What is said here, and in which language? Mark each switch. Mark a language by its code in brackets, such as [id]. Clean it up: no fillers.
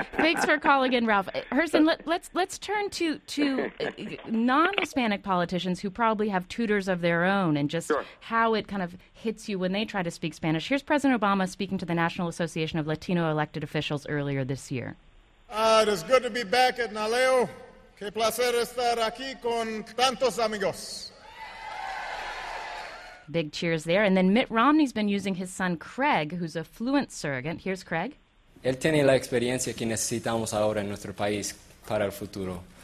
[en] Thanks for calling in, Ralph. Herson, let's turn to non-Hispanic politicians who probably have tutors of their own and just how it kind of hits you when they try to speak Spanish. Here's President Obama speaking to the National Association of Latino Elected Officials earlier this year. It is good to be back at Naleo. [es] Qué placer estar aquí con tantos amigos. [en] Big cheers there. And then Mitt Romney's been using his son, Craig, who's a fluent surrogate. Here's Craig. [es] Él tiene la experiencia que necesitamos ahora en nuestro país para el futuro.